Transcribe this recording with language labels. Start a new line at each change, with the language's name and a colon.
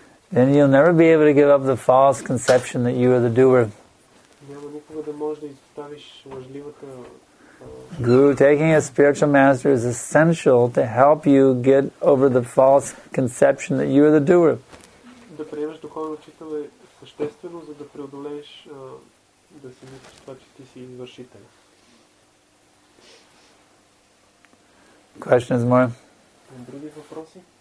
English: Then you'll never be able to give up the false conception that you are the doer.
Bulgarian: няма никога да можеш да изоставиш лъжливата.
English: Guru, taking a spiritual master is essential to help you get over the false conception that you are the doer.
Bulgarian: Да приемеш духовен учител е съществено, за да преодолееш да си мислиш това, че ти си извършител.
English: Questions more?
Bulgarian: Други въпроси?